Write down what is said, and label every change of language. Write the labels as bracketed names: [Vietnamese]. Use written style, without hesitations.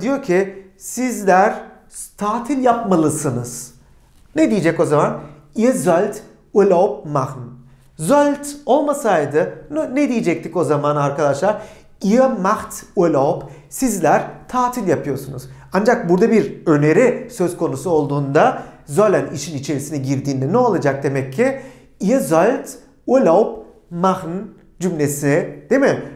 [Turkish] Diyor ki sizler tatil yapmalısınız. Ne diyecek o zaman? [German] Ihr sollt Urlaub machen. [Turkish] Sollt olmasaydı ne diyecektik o zaman arkadaşlar? [German] Ihr macht Urlaub. [Turkish] Sizler tatil yapıyorsunuz. Ancak burada bir öneri söz konusu olduğunda, sollen işin içerisine girdiğinde ne olacak demek ki? [German] Ihr sollt Urlaub machen [Turkish] cümlesi, değil mi?